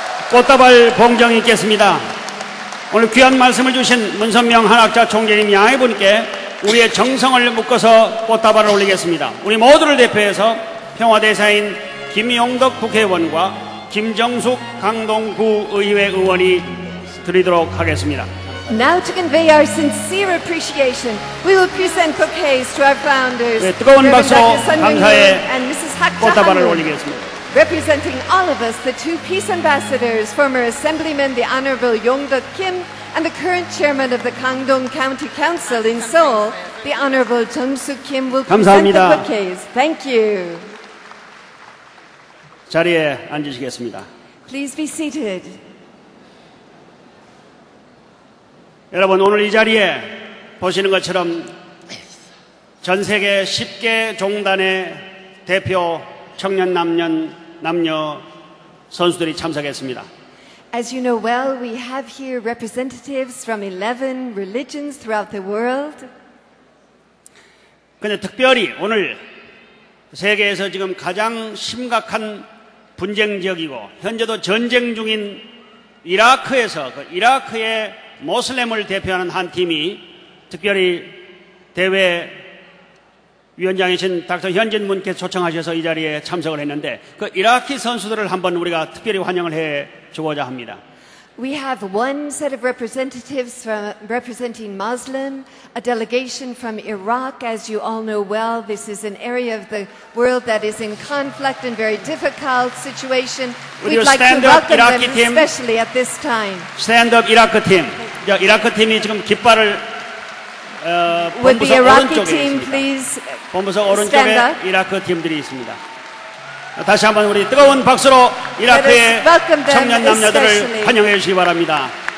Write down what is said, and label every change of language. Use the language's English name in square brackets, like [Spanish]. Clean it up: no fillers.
[Korean] 꽃다발 봉정이 있겠습니다. 오늘 귀한 말씀을 주신 문선명 한학자 총재님 양해 분께 우리의 정성을 묶어서 꽃다발을 올리겠습니다. 우리 모두를 대표해서 평화대사인 김용덕 국회의원과 김정숙 강동구 의회 의원이 드리도록 하겠습니다. [English] Now to convey our sincere appreciation, we will present bouquets to our founders, [Korean] 네, 뜨거운 박수, 감사의 [English] and Mrs. [Korean] 꽃다발을 올리겠습니다. [English] Representing all of us, the two peace ambassadors, former assemblyman, the Honorable Yongdeok Kim, and the current chairman of the Gangdong County Council in Seoul, the Honorable Jeong-suk Kim, will [Korean] 감사합니다. [English] Present the bouquets. Thank you. [Korean] 자리에 앉으시겠습니다. [English] Please be seated. [Korean] 여러분, 오늘 이 자리에 보시는 것처럼 전 세계 10개 종단의 대표 청년 남녀 선수들이 참석했습니다. As you know well, we have here representatives from 11 religions throughout the world. 근데 특별히 오늘 세계에서 지금 가장 심각한 분쟁 지역이고 현재도 전쟁 중인 이라크에서 그 이라크의 모슬렘을 대표하는 한 팀이 특별히 대회 위원장이신 닥터 현진 문께 초청하셔서 이 자리에 참석을 했는데 그 이라키 선수들을 한번 우리가 특별히 환영을 해 주고자 합니다. [English] We have one set of representatives from representing Muslim, a delegation from Iraq. As you all know well, this is an area of the world that is in conflict and very difficult situation. We'd like to welcome Iraqi them, team? Especially at this time. Stand up, Iraq team. [Korean] 이라크 팀이 지금 깃발을 본부서 오른쪽에 [English] team, [Korean] 있습니다. 본부서 오른쪽에 이라크 팀들이 있습니다. 다시 한번 우리 뜨거운 박수로 이라크의 청년 남녀들을 [English] especially. [Korean] 환영해 주시기 바랍니다.